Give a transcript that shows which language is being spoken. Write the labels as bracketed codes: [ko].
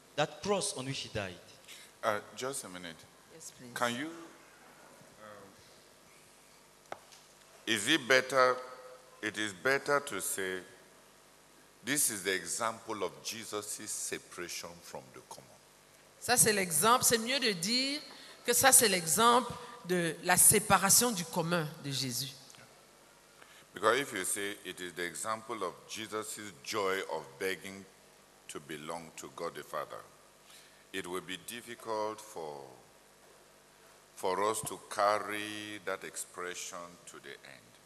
[en] That cross on which he died. Just a minute. Yes, please. Can you It is better to say this is the example of Jesus' separation from the common. [fr] Ça c'est l'exemple, c'est mieux de dire que ça c'est l'exemple de la séparation du commun de Jésus. [en] Because if you say it is the example of Jesus' joy of begging to belong to God the Father, it will be difficult for us to carry that expression to the end.